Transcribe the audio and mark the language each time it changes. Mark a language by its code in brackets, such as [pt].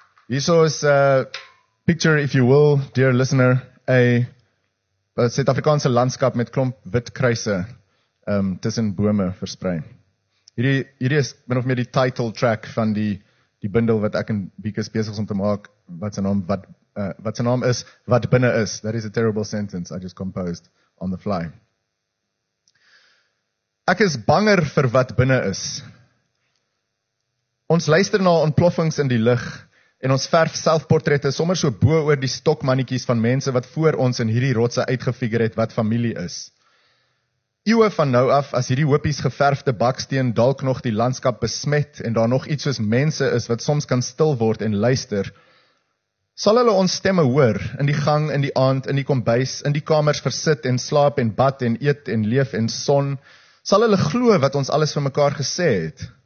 [af] Hierso is [en] a picture, if you will, dear listener, a [af] Suid-Afrikaanse landskap met klomp wit kruise tussen bome versprei. Hierdie is min of meer die title track van die die bundel wat ek en Bikus besig is om te maak, wat sy naam is, wat binne is. [en] That is a terrible sentence I just composed on the fly. [af] Ek is banger vir wat binne is. Ons luister na ontploffings in die lig en ons verf selfportrette sommer so bo oor die stokmannetjies van mense wat voor ons in hierdie rotse uitgefigure het wat familie is. Eeuwe van nou af, as hierdie hoopies geverfde baksteen dalk nog die landskap besmet en daar nog iets soos mense is wat soms kan stil word en luister, sal hulle ons stemme hoor in die gang, in die aand, in die kombuis, in die kamers versit en slaap en bad en eet en leef en son, sal hulle glo wat ons alles vir mekaar gesê het.